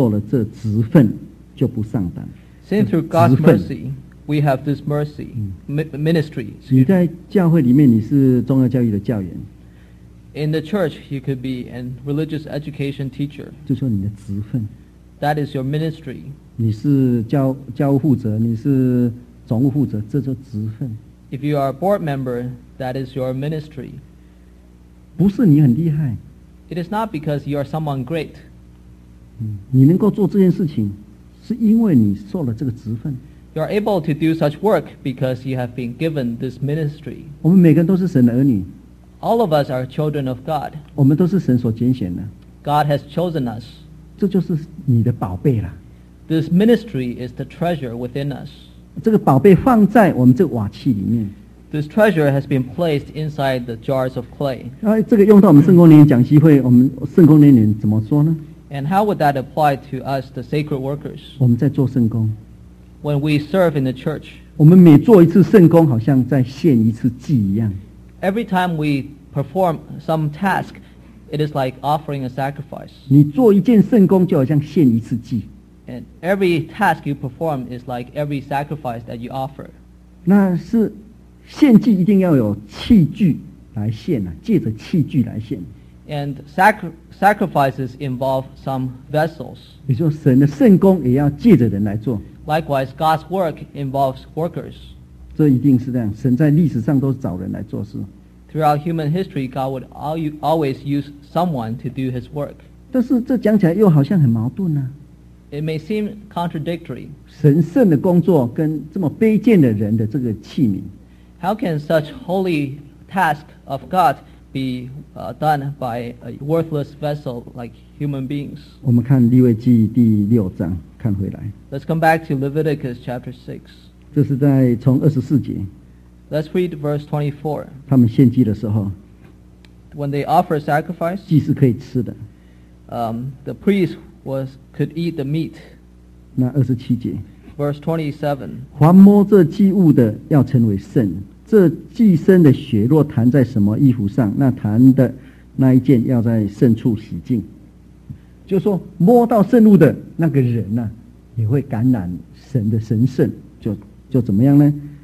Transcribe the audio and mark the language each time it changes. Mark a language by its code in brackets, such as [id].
[zh] 我们既然能怜悯受了这职分，就不上当。 [en] Since through God's mercy, we have this mercy, ministry. [zh] 你在教会里面你是宗教教育的教员。 [en] In the church, you could be a religious education teacher. [zh] 就说你的职分, [en] that is your ministry. [zh] 你是教务负责, 你是总务负责, 这就职分。 [en] If you are a board member, that is your ministry. [zh] 不是你很厉害, [en] it is not because you are someone great. [zh] 你能够做这件事情，是因为你受了这个职分。 [en] You are able to do such work because you have been given this ministry. [zh] 我们每个人都是神的儿女。 [en] All of us are children of God. [zh] 我们都是神所拣选的。 [en] God has chosen us. [zh] 这就是你的宝贝了。 [en] This ministry is the treasure within us. [zh] 这个宝贝放在我们这个瓦器里面。 [en] This treasure has been placed inside the jars of clay. [zh] 这个用到我们圣公年讲习会，我们圣公年年怎么说呢？ [en] And how would that apply to us, the sacred workers? [zh] 我们在做圣工。 [en] When we serve in the church, [zh] 我们每做一次圣工，好像在献一次祭一样。 [en] Every time we perform some task, it is like offering a sacrifice. [zh] 你做一件圣工，就好像献一次祭。 [en] And every task you perform is like every sacrifice that you offer. [zh] 那是献祭一定要有器具来献啊，借着器具来献。 [en] And sacrifices involve some vessels. [zh] 也就是神的圣工也要借着人来做。 [en] Likewise, God's work involves workers. [zh] 这一定是这样，神在历史上都是找人来做事。 [en] Throughout human history, God would always use someone to do his work. [zh] 但是这讲起来又好像很矛盾啊。 [en] It may seem contradictory. [zh] 神圣的工作跟这么卑贱的人的这个器皿。 [en] How can such holy task of God be done by a worthless vessel like human beings? [zh] 我们看利未记第六章，看回来。 [en] Let's come back to Leviticus chapter 6. [zh] 这是在从二十四节。 [en] Let's read verse 24. [zh] 他们献祭的时候。 [en] When they offer sacrifice, [zh] 祭是可以吃的。 [en] The priest could eat the meat. [zh] 那二十七节。 [en] Verse 27. [zh] 凡摸这祭物的要成为圣，这祭牲的血若弹在什么衣服上，那弹的那一件要在圣处洗净。就是说摸到圣物的那个人呢、啊，也会感染神的神圣，就怎么样呢？